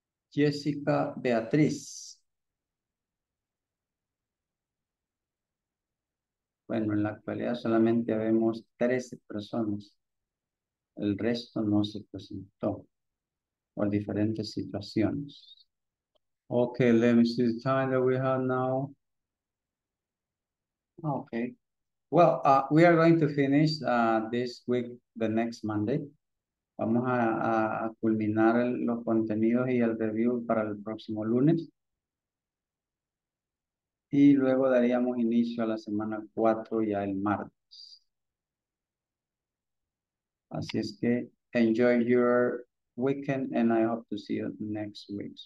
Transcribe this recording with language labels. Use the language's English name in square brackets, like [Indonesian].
[Spanish] Jessica Beatriz. Bueno, en la actualidad solamente vemos 13 personas. El resto no se presentó por diferentes situaciones. [English] Okay, let me see the time that we have now. Okay. Well, we are going to finish this week, the next Monday. [Spanish] Vamos a culminar los contenidos y el review para el próximo lunes. Y luego daríamos inicio a la semana 4 ya el martes. Así es que [English] enjoy your weekend and I hope to see you next week.